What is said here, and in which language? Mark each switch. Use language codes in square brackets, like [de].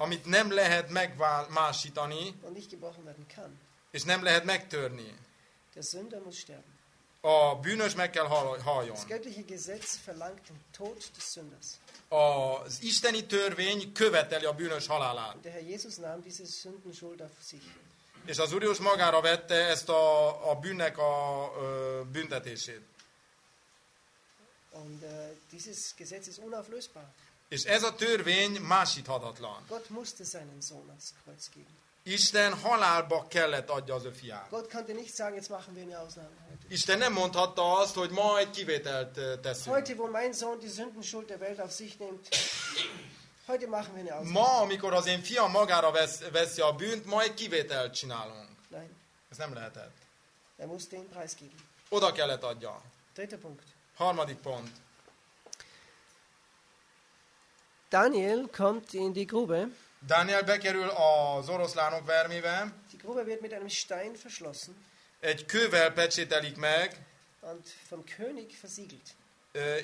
[hu] amit nem lehet megmásítani, [de] und nicht gebrochen werden kann, [hu] és nem lehet megtörni. [de] Der Sünder muss sterben. [hu] A bűnös meg kell haljon. [de] Das göttliche Gesetz verlangt den Tod des Sünders. [hu] Az isteni törvény követeli a bűnös halálát. [de] Der Herr Jesus nahm diese Sündenschuld auf sich. [hu] És az Úr Jézus magára vette ezt a bűnnek a büntetését. [de] Und dieses Gesetz ist unauflösbar. [hu] És ez a törvény másíthatatlan. [de] Gott musste seinen Sohn ans Kreuz geben. [hu] Isten halálba kellett adja az ő fiát. [de] Gott konnte nicht sagen, jetzt machen wir eine Ausnahme. [hu] Isten nem mondhatta azt, hogy ma egy kivételt teszünk. [de] Heute, wo mein Sohn die Sündenschuld der Welt auf sich nimmt, heute machen wir eine Ausnahme. [hu] Ma, amikor az én fiam magára veszi a bűnt, ma egy kivételt csinálunk. [de] Nein. [hu] Ez nem lehetett. [de] Er musste ihn preisgeben. [hu] Oda kellett adja. [de] Dritter Punkt. [hu] Harmadik pont. [de] Daniel kommt in die Grube. [hu] Daniel bekerül az oroszlánok vermébe. [de] Die Grube wird mit einem Stein verschlossen. [hu] Egy kővel pecsételik meg. [de] Und vom König versiegelt.